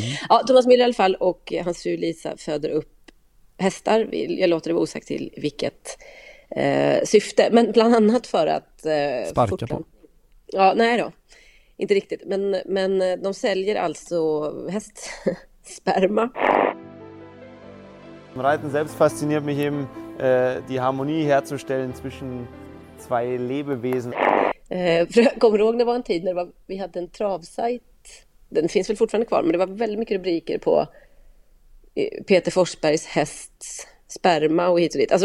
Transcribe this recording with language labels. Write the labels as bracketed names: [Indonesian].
[Swedish] Ja, Thomas Müller i alla fall och hans fru Lisa föder upp hästar. Jag låter det vara osagt till vilket syfte, men bland annat för att Sparka fortan. på. Ja, nej då. Inte riktigt, men de säljer alltså hästsperma. [German] Reiten selbst fasziniert mich eben, die Harmonie herzustellen zwischen zwei Lebewesen. [Swedish] Kommer du ihåg, det var en tid när vi hade en travsajt. Den finns väl fortfarande kvar, men det var väldigt mycket rubriker på Peter Forsbergs hästsperma och hit och dit.